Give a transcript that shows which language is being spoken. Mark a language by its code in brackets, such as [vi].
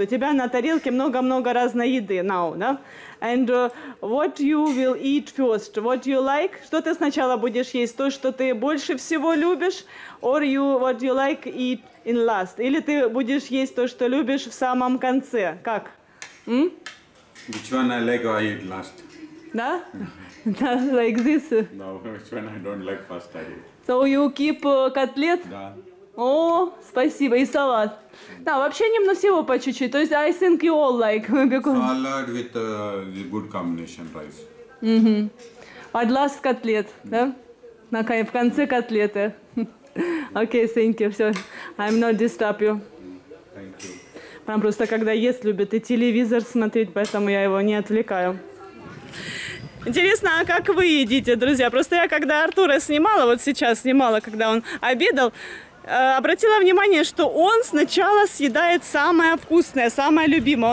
[ru] У тебя на тарелке много-много разной еды [en] now, [ru] да? [en] And what you will eat first? What you like? [ru] Что ты сначала будешь есть? То, что ты больше всего любишь? [en] Or you, what you like eat in last? [ru] Или ты будешь есть то, что любишь в самом конце? Как? [en] Which one I like or I eat last? [ru] Да? [en] Да, like this? No, which one I don't like first I eat. So you keep котлет? [ru] Да. О, спасибо, и салат. Да, вообще немного всего по чуть-чуть. То есть [en] I think you all like. Because... Salad with good combination rice. Mm-hmm. At last [ru] котлет, да? В конце котлеты. [en] Okay, thank you. So I'm not disturb you. Thank you. [ru] Прям просто когда ест, любит и телевизор смотреть, поэтому я его не отвлекаю. Интересно, а как вы едите, друзья? Просто я, когда Артура снимала, вот сейчас снимала, когда он обедал, обратила внимание, что он сначала съедает самое вкусное, самое любимое.